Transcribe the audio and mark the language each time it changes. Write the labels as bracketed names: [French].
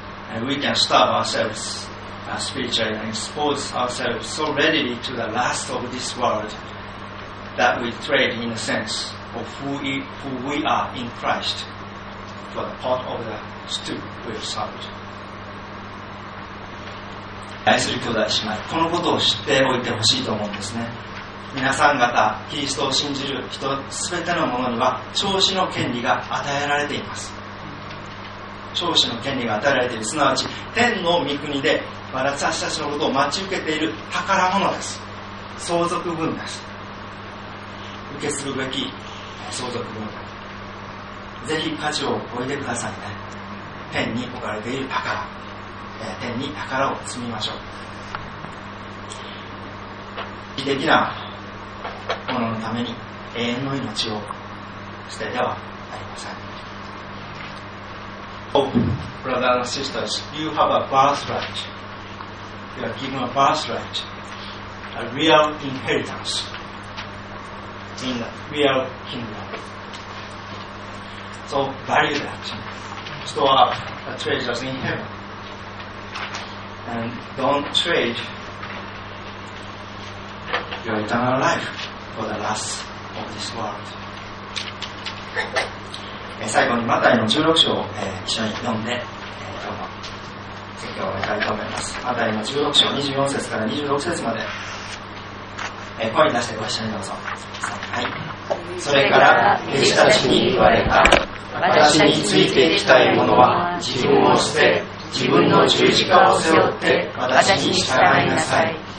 [English] And we can starve ourselves spiritually and expose ourselves so readily to the lust of this worldthat we trade in a sense of who we are in Christ for the pot of the stew we have served. [Japanese] 愛する兄弟姉妹、このことを知っておいてほしいと思うんですね。皆さん方、キリストを信じる人全てのものには長子の権利が与えられています。長子の権利が与えられている、すなわち天の御国で私たちのことを待ち受けている宝物です。相続分です。受けするべき相続分、ぜひ価値を置いてくださいね。天に置かれている宝、天に宝を積みましょう。美的なもののために永遠の命を捨ててはなりません。 [English] Oh, brothers and sisters, you have a birthright. You are given a birthright, a real inheritanceIn the real kingdom. So value that. Store up the treasures in heaven. And don't trade your eternal life for the loss of this world. [Japanese] 最後にマタイの16章を一緒に読んで、今日も説教を終えたいと思います。マタイの16章24節から26節まで。声に出してご一緒にどうぞ、はい、それから弟子たちに言われた。私についていきたい者は自分を捨て自分の十字架を背負って私に従いなさい。